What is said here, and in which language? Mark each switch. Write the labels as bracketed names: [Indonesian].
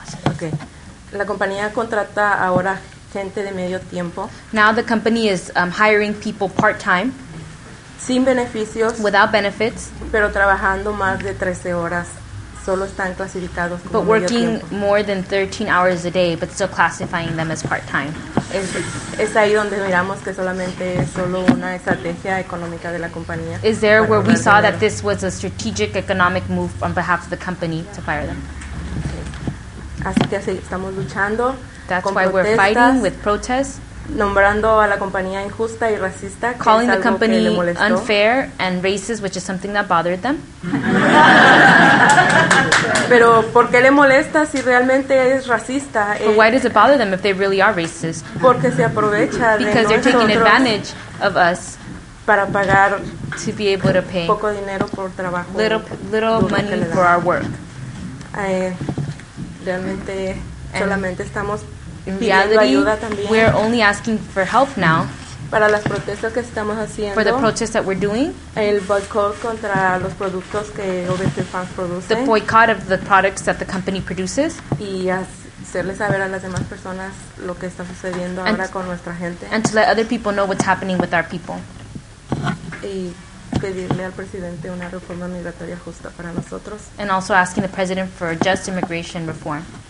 [Spanish] okay, la compañía contrata ahora gente de medio tiempo. [English] Now the company is hiring people part-time. [Spanish] Sin beneficios. [English] Without benefits. [Spanish] Pero trabajando más de 13 horas. Solo están clasificados como medio tiempo. [English] But working more than 13 hours a day, but still classifying them as part-time. [Spanish] Es ahí donde miramos que solamente es solo una estrategia económica de la compañía. [English] Is there where we saw that this was a strategic economic move on behalf of the company to fire them? [Spanish] Okay. Así que así, estamos luchando. [English] That's why we're fighting with protests. [Spanish] Nombrando a la compañía injusta y racista, [English] calling the company unfair and racist, which is something that bothered them. [Spanish] Pero ¿por qué le molesta si realmente es racista? [English] But why does it bother them if they really are racist? [Spanish] Porque se aprovecha de [English] because they're taking advantage of us [Spanish] para pagar [English] to be able to pay [Spanish] poco dinero por trabajo, [English] little money for our work. [Spanish] Realmente. And solamente estamos pidiendo ayuda también. [English] We're only asking for help now. [Spanish] Para las protestas que estamos haciendo. [English] For the protests that we're doing. [Spanish] El boycott contra los productos que OVC Farms produce. [English] The boycott of the products that the company produces. [Spanish] Y hacerle saber a las demás personas lo que está sucediendo and ahora con nuestra gente. [English] And to let other people know what's happening with our people. [Spanish] Y pedirle al presidente una reforma migratoria justa para nosotros. [English] And also asking the president for just immigration reform.